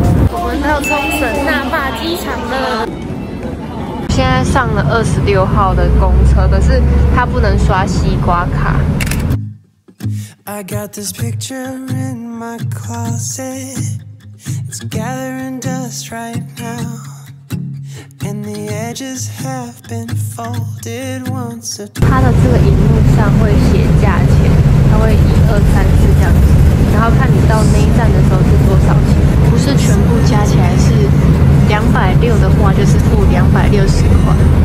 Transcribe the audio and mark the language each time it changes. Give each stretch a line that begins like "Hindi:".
Chinese: 我们到冲绳那霸机场了。现在上了26号的公车，可是它不能刷西瓜卡。
English: I got this picture in my closet. It's gathering dust right now And the edges have been folded once or twice
Chinese: 它的这个萤幕上会写价钱，它会1、2、3、4这样子，然后看你到那一站的时候是多少钱，不是全部加起来是260的话就是负260块。